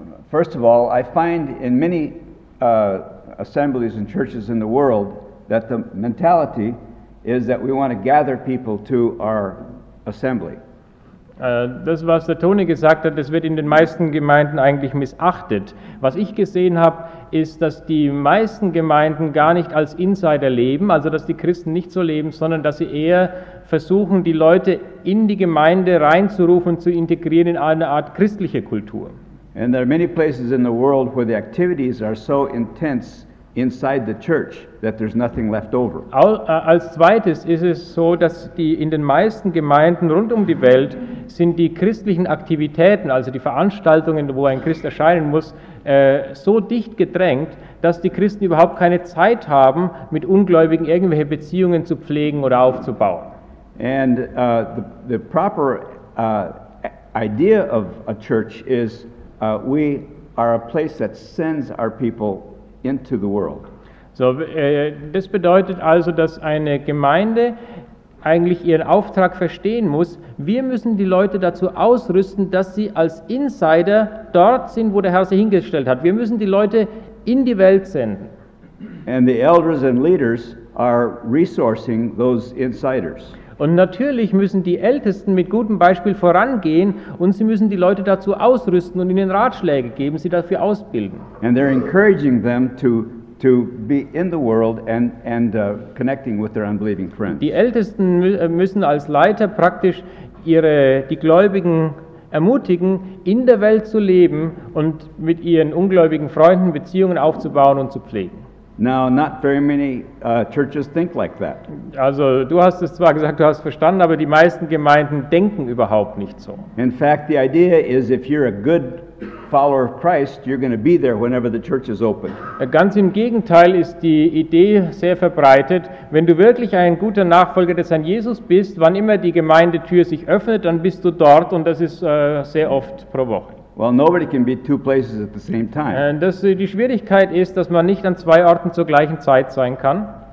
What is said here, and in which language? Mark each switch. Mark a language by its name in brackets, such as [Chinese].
[English] First of all, I find in many assemblies and churches in the world that the mentality is that we want to gather people to our assembly. [German] Das, was der Toni gesagt hat, das wird in den meisten Gemeinden eigentlich missachtet. Was ich gesehen habe, ist, dass die meisten Gemeinden gar nicht als Insider leben, also dass die Christen nicht so leben, sondern dass sie eher versuchen, die Leute in die Gemeinde reinzurufen, zu integrieren in eine Art christliche Kultur. [English] And there are many places in the world where the activities are so intense inside the church that there's nothing left over. [German] Als zweites ist es so, dass die in den meisten Gemeinden rund um die Welt sind die christlichen Aktivitäten, also die Veranstaltungen, wo ein Christ erscheinen muss, so dicht gedrängt, dass die Christen überhaupt keine Zeit haben, mit Ungläubigen irgendwelche Beziehungen zu pflegen oder aufzubauen. [English] And the proper idea of a church is we are a place that sends our people into the world. [German] So das bedeutet also, dass eine Gemeinde eigentlich ihren Auftrag verstehen muss. Wir müssen die Leute dazu ausrüsten, dass sie als Insider dort sind, wo der Herr sie hingestellt hat. Wir müssen die Leute in die Welt senden. [English] And the elders and leaders are resourcing those insiders. [German] Und natürlich müssen die Ältesten mit gutem Beispiel vorangehen und sie müssen die Leute dazu ausrüsten und ihnen Ratschläge geben, sie dafür ausbilden. [English] And they're encouraging them to be in the world and connecting with their unbelieving friends. [German] Die Ältesten müssen als Leiter praktisch die Gläubigen ermutigen, in der Welt zu leben und mit ihren ungläubigen Freunden Beziehungen aufzubauen und zu pflegen. [English] Now, not very many churches think like that. [German] Also, du hast es zwar gesagt, du hast verstanden, aber die meisten Gemeinden denken überhaupt nicht so. [English] In fact, the idea is, if you're a good follower of Christ, you're going to be there whenever the church is open. [German] Ganz im Gegenteil ist die Idee sehr verbreitet. Wenn du wirklich ein guter Nachfolger des Herrn Jesus bist, wann immer die Gemeindetür sich öffnet, dann bist du dort, und das ist sehr oft pro Woche. [English] Well, nobody can be two places at the same time. [German] Die Schwierigkeit ist, dass man nicht an zwei Orten zur gleichen Zeit sein kann.